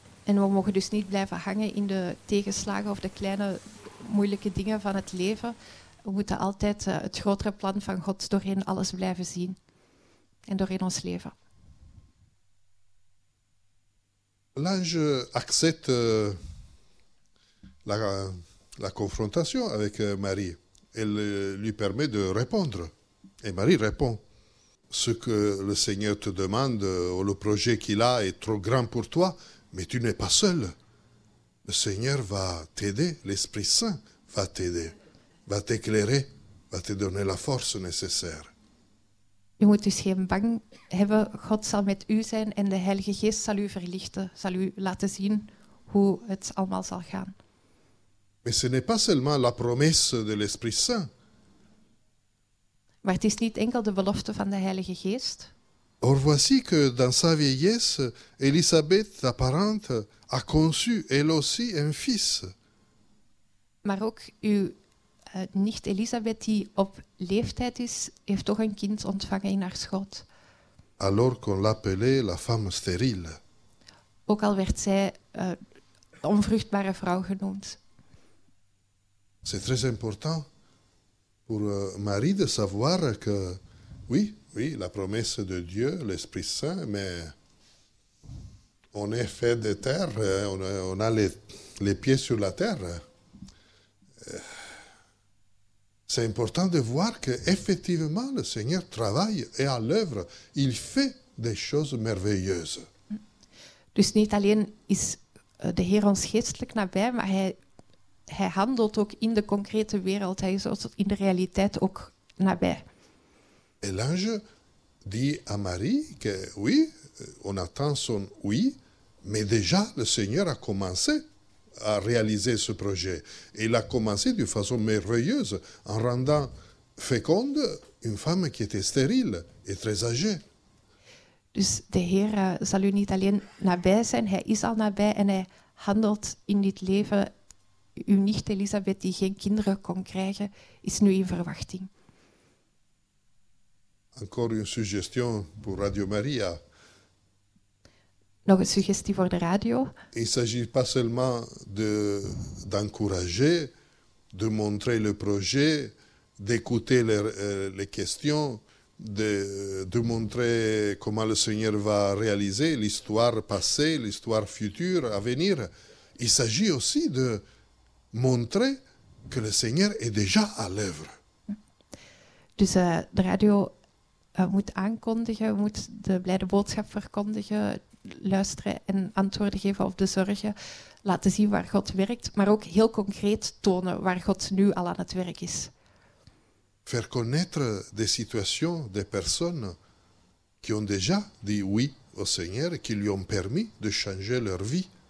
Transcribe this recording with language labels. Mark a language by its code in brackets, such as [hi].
[nl] En we mogen dus niet blijven hangen in de tegenslagen of de kleine moeilijke dingen van het leven. We moeten altijd het grotere plan van God doorheen alles blijven zien en doorheen ons leven. [fr] L'ange accepte la confrontation avec Marie. Elle lui permet de répondre. Et Marie répond. Ce que le Seigneur te demande, ou le projet qu'il a est trop grand pour toi, mais tu n'es pas seul. Le Seigneur va t'aider, l'Esprit Saint va t'aider, va t'éclairer, va te donner la force nécessaire. [nl] Je moet dus geen bang hebben. God zal met u zijn en de Heilige Geest zal u verlichten, zal u laten zien hoe het allemaal zal gaan. [fr] Mais ce n'est pas seulement la promesse de l'Esprit Saint. [nl] Maar het is niet enkel de belofte van de Heilige Geest. [fr] Or voici que dans sa vieillesse, Élisabeth, ta parente, a conçu elle aussi un fils. [nl] Maar ook uw nicht Elisabeth, die op leeftijd is, heeft toch een kind ontvangen in haar schoot. [fr] Alors qu'on l'appelait la femme stérile. [nl] Ook al werd zij onvruchtbare vrouw genoemd. [fr] C'est très important pour Marie de savoir que oui, la promesse de Dieu, l'Esprit Saint, mais on est fait de terre, on a les pieds sur la terre. C'est important de voir que effectivement le Seigneur travaille et à l'œuvre, il fait des choses merveilleuses. [nl] Dus niet alleen is de Heer ons geestelijk nabij, maar hij handelt ook in de concrete wereld. Hij is in de realiteit ook nabij. [fr] Et l'ange dit à Marie que oui, on attend son oui, mais déjà le Seigneur a commencé à réaliser ce projet. Et il a commencé d'une façon merveilleuse en rendant féconde une femme qui était stérile et très âgée. [nl] Dus de Heer zal u niet alleen nabij zijn, hij is al nabij en hij handelt in dit leven. Uw nicht Elisabeth, die geen kinderen kon krijgen, is nu in verwachting. [fr] Encore une suggestion pour Radio Maria. [nl] Nog een suggestie voor de radio. [fr] Il ne s'agit pas seulement d'encourager, de montrer le projet, d'écouter les questions, de montrer comment le Seigneur va réaliser l'histoire passée, l'histoire future, à venir. Il s'agit aussi de montrer que le Seigneur est déjà à l'œuvre. [nl] Dus de radio moet aankondigen, moet de blijde boodschap verkondigen, luisteren en antwoorden geven op de zorgen, laten zien waar God werkt, maar ook heel concreet tonen waar God nu al aan het werk is. [fr] Faire connaître des situations, des personnes qui ont déjà dit oui au Seigneur, qui lui ont permis de changer leur vie.